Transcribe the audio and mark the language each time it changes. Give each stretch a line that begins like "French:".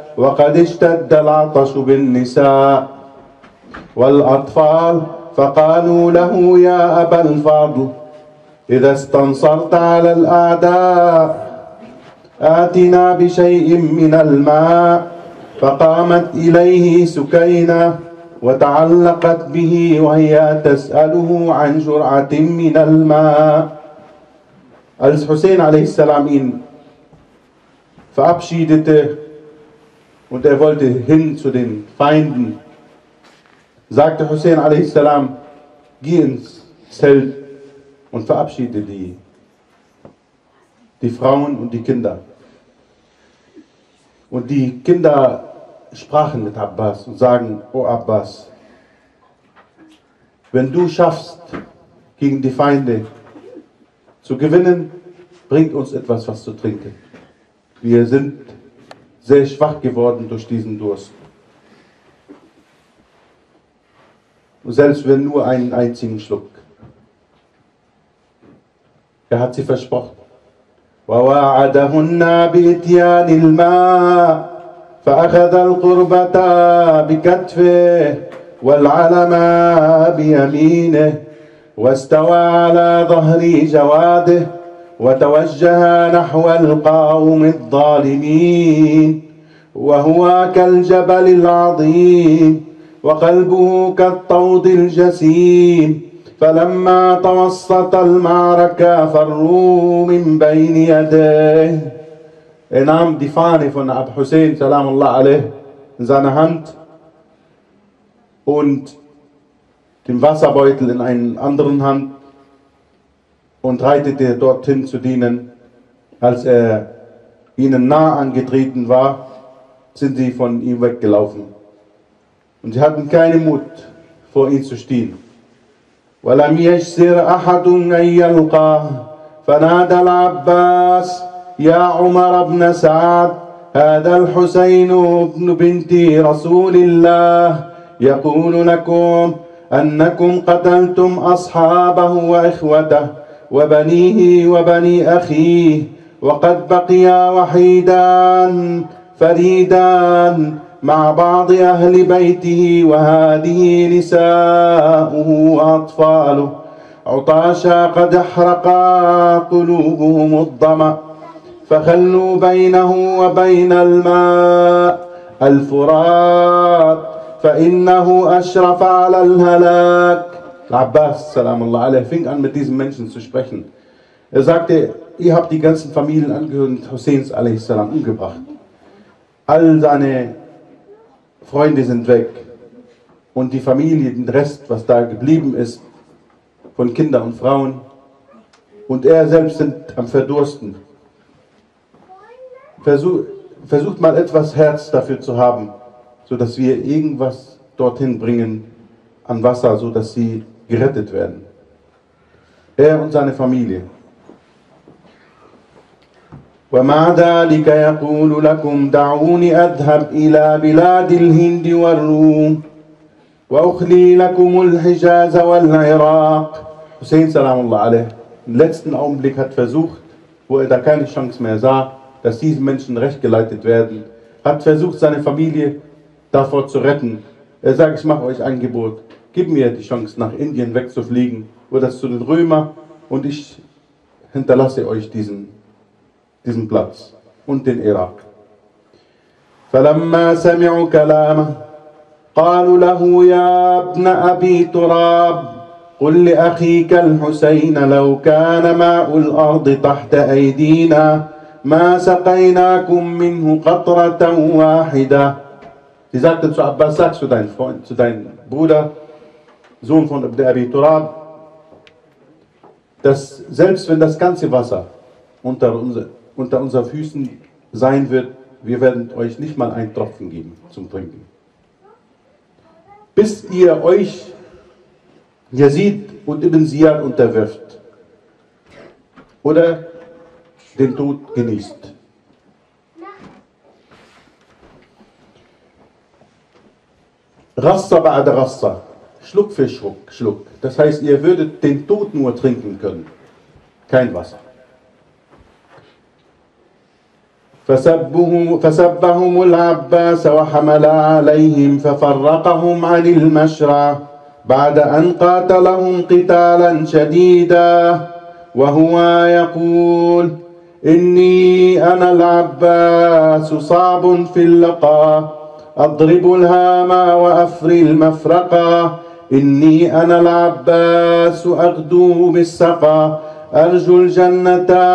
Arabic: وقد اشتد العطش بالنساء والأطفال فقالوا له يا أبا الفضل إذا استنصرت على الأعداء آتنا بشيء من الماء. فقامت إليه سكينة وتعلقت به وهي تسأله عن جرعة من الماء. الحسين عليه السلام فأبشيدته
German: und er wollte hin zu den Feinden. Sagte Hussein
Arabic: عليه السلام:
German: geh ins Zelt und verabschiede die Frauen und die Kinder. Und die Kinder sprachen mit Abbas und sagen: O Abbas, wenn du schaffst, gegen die Feinde zu gewinnen, bringt uns etwas, was zu trinken. Wir sind sehr schwach geworden durch diesen Durst. Und selbst wenn nur einen einzigen Schluck. Er hat sie versprochen.
Arabic: ووعدهن بإتيان الماء فأخذ القربة بكتفه والعلم بيمينه واستوى على ظهر جواده وتوجه نحو القوم الظالمين وهو كالجبل العظيم وقلبه كالطود الجسيم. فلما توسط المعركة فروا من بين يديه.
German: Er nahm die Fahne von Abu Hussein
Arabic: salamullah alayh
German: in seine Hand und den Wasserbeutel in einen anderen Hand und reitete dorthin zu dienen. Als er ihnen nah angetreten war, sind sie von ihm weggelaufen. Und sie hatten keinen Mut, vor ihm zu stehen.
Arabic: ولم يجسر أحد أن يلقاه فنادى العباس يا عمر بن سعد هذا الحسين بن بنتي رسول الله يقول لكم أنكم قتلتم أصحابه وإخوته وبنيه وبني أخيه وقد بقيا وحيدا فريدا مع بعض أهل بيته وهذه نساؤه وأطفاله عطاشا قد احرقا قلوبهم الظمأ فخلوا بينه وبين الماء الفرات فإنه أشرف على الهلاك. العباس سلام الله عليه
German: fing an mit diesen Menschen zu sprechen. Er sagte: ihr habt die ganzen Familienangehörigen Husseins
Arabic: alaihi salam
German: umgebracht. All seine Freunde sind weg und die Familie, den Rest, was da geblieben ist, von Kindern und Frauen und er selbst sind am Verdursten. Versucht mal etwas Herz dafür zu haben, sodass wir irgendwas dorthin bringen an Wasser, sodass sie gerettet werden. Er und seine Familie.
Arabic: ومع ذلك يقول لكم دعوني أذهب إلى بلاد الهند والروم وأخلي لكم الحجاز والعراق. حسين سلام الله عليه
German: im letzten Augenblick hat versucht, wo er da keine Chance mehr sah, dass diese Menschen recht geleitet werden, hat versucht seine Familie davor zu retten. Er sagt: ich mache euch ein Angebot, gib mir die Chance nach Indien wegzufliegen oder zu den Römer und ich hinterlasse euch diesen Platz und den Irak.
Arabic: فلما سمعوا كلامه قالوا له يا ابن ابي تراب قل لاخيك الحسين لو كان ماء الارض تحت ايدينا ما سقيناكم منه قطره واحده.
German: Sie sagte zu Abbas: sag zu deinem Freund, zu deinem Bruder, Sohn von Ibn Abi Turab, dass selbst wenn das ganze Wasser unter unseren Füßen sein wird, wir werden euch nicht mal einen Tropfen geben zum Trinken. Bis ihr euch Yazid und Ibn Ziyad unterwirft oder den Tod genießt.
Arabic: Rassa ba'ad Rassa,
German: Schluck für Schluck, Schluck. Das heißt, ihr würdet den Tod nur trinken können. Kein Wasser.
Arabic: فسبهم العباس وحمل عليهم ففرقهم عن المشرى بعد أن قاتلهم قتالا شديدا وهو يقول إني أنا العباس صعب في اللقاء أضرب الهام وأفري المفرقا إني أنا العباس أغدوه بالسقا أرجو الجنة